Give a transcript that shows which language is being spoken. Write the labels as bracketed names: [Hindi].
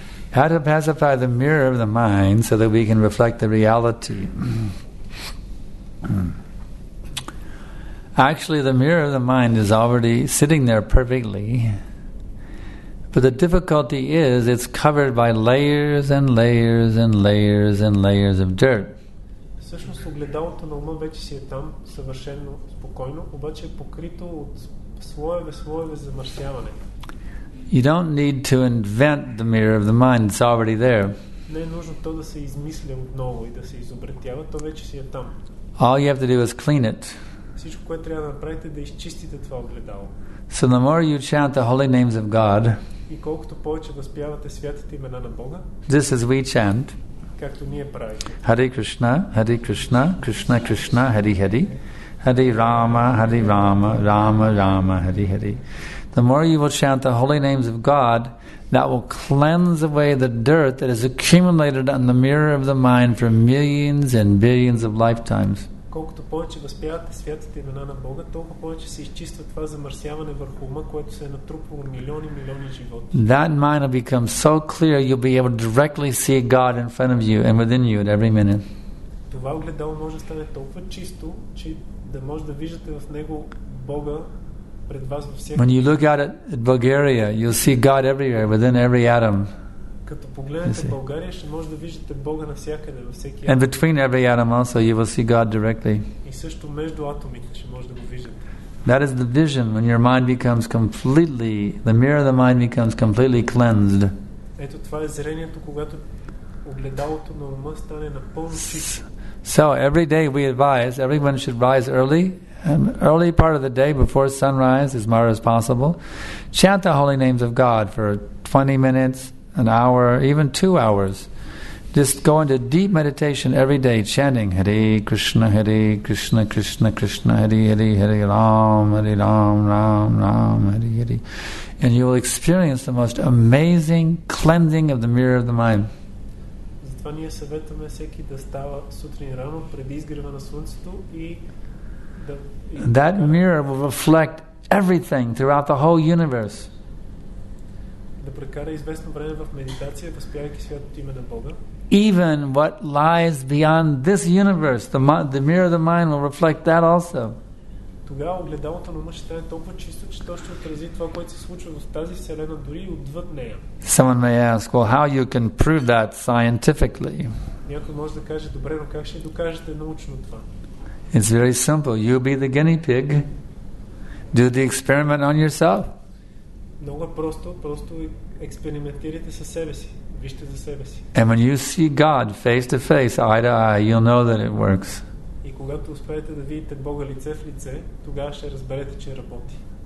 [English] How to pacify the mirror of the mind so that we can reflect the reality. Actually, the mirror of the mind is already sitting there perfectly. But the difficulty is it's covered by layers and layers and layers and layers of dirt. [Bulgarian] Всъщност огледалото на ума вече си е там, съвършено спокойно, обаче е покрито от слоеве замърсяване. [English] You don't need to invent the mirror of the mind, it's already there. [Bulgarian] Не е нужно то да се измисля отново и да се изобретява, то вече си е там. [English] All you have to do is clean it. [Bulgarian] Всичко, което трябва да направите, е да изчистите това огледало. [English] So the more you chant the holy names of God, [Bulgarian] и колкото повече възпявате святите имена на Бога, [English] this is we chant, [Bulgarian] както ние правим. [Sanskrit] Hare Krishna, Hare Krishna, Krishna Krishna, Hare Hare, Hare Rama, Hare Rama, Rama Rama, Hare Hare. [English] The more you will chant the holy names of God, that will cleanse away the dirt that has accumulated on the mirror of the mind for millions and billions of lifetimes. [Bulgarian] Колкото повече възпявате святите имена на Бога, толкова повече се изчиства това замърсяване върху ума, което се е натрупало милиони и милиони животи. [English] That mind will become so clear you'll be able to directly see God in front of you and within you at every minute. [Bulgarian] Това огледало може да стане толкова чисто, че да може да виждате в него Бога пред вас във всеки. [English] When you look at it at Bulgaria, you'll see God everywhere within every atom. [Bulgarian] Като погледнете България, ще може да виждате Бога навсякъде, във всеки атом. [English] And between every atom also, you will see God directly. [Bulgarian] И също между атомите ще може да го виждате. [English] That is the vision when your mind becomes completely, the mirror of the mind becomes completely cleansed. [Bulgarian] Ето това е зрението, когато огледалото на ума стане напълно чисто. [English] So every day we advise everyone should rise early. An early part of the day before sunrise, as much as possible, chant the holy names of God for 20 minutes, an hour, even 2 hours. Just go into deep meditation every day, chanting [Sanskrit] Hare Krishna, Hare Krishna, Krishna Krishna, Hare Hare, Hare Ram, Hare Ram, Ram Ram, Hare Hare. [English] And you will experience the most amazing cleansing of the mirror of the mind. [Bulgarian] Затова ние съветваме всеки да става сутрин рано преди изгрева на слънцето и [English] that mirror will reflect everything throughout the whole universe. [Bulgarian] Да прекара известно време в медитация, възпявайки святото име на Бога. [English] Even what lies beyond this universe, the mirror of the mind will reflect that also. [Bulgarian] Тогава огледалото на ума ще стане толкова чисто, че то ще отрази това, което се случва в тази вселена, дори отвъд нея. [English] Someone may ask, well, how you can prove that scientifically? [Bulgarian] Някой може да каже, добре, но как ще докажете научно това? [English] It's very simple. You be the guinea pig. Do the experiment on yourself. [Bulgarian] Много просто експериментирайте със себе си. Вижте за себе си. [English] And when you see God face to face, eye to eye, you'll know that it works. [Bulgarian] И когато успеете да видите Бога лице в лице, тогава ще разберете, че работи.